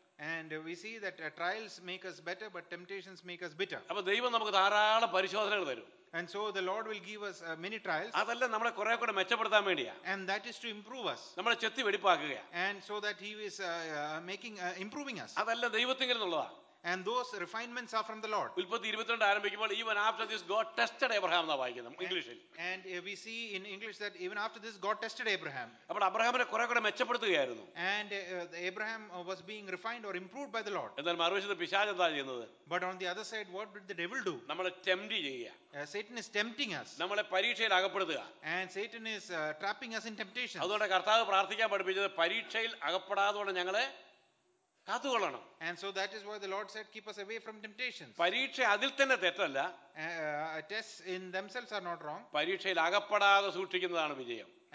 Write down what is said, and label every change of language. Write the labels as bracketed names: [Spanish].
[English] And we see that trials make us better, but temptations make us bitter. [Malayalam] അപ്പോൾ ദൈവം നമുക്ക് ധാരാളം പരിശോധനകൾ തരും. [English] And so the Lord will give us many trials. [Malayalam] അതെല്ലാം നമ്മളെ കുറേക്കൂടെ മെച്ചപ്പെടുത്താൻ വേണ്ടിയാ. [English] And that is to improve us. [Malayalam] നമ്മളെ ചെത്തി വെടിപ്പാക്കുക. [English] And so that he is making improving us. [Malayalam] അതെല്ലാം ദൈവത്തിങ്കിൽ നിന്നുള്ളതാ. [English] And those refinements are from the Lord. [Malayalam] ഉൽപ്പത്തി 22 ആരംഭിക്കുമ്പോൾ [English] even after this God tested Abraham [Malayalam] എന്നാ വായിക്കുന്നത് ഇംഗ്ലീഷിൽ. [English] And we see in English that even after this God tested Abraham. [Malayalam] അപ്പോൾ അബ്രഹാമിനെ കുറേക്കൂടെ മെച്ചപ്പെടുത്തുകയായിരുന്നു. [English] And Abraham was being refined or improved by the Lord. [Malayalam] എന്നാൽ മറുവശത്ത് പിശാച് എന്താ ചെയ്യുന്നത്? [English] But on the other side, what did the devil do? [Malayalam] നമ്മളെ tempt ചെയ്യുക. [English] Satan is tempting us. [Malayalam] നമ്മളെ പരീക്ഷയിൽ അകപ്പെടുത്തുക. [English] And Satan is trapping us in temptation. [Malayalam] അതുകൊണ്ട് കർത്താവ് പ്രാർത്ഥിക്കാൻ പഠിപ്പിച്ചത് പരീക്ഷയിൽ അകപ്പെടാതുകൊണ്ട് ഞങ്ങളെ കാത്തുകൊള്ളണം. [English] And so that is why the Lord said keep us away from temptations. [Malayalam] പരീക്ഷ അതിൽ തന്നെ തെറ്റല്ല. [English] Tests in themselves are not wrong. [Malayalam] പരീക്ഷയിൽ അകപ്പെടാതെ സൂക്ഷിക്കുന്നതാണ് വിജയം.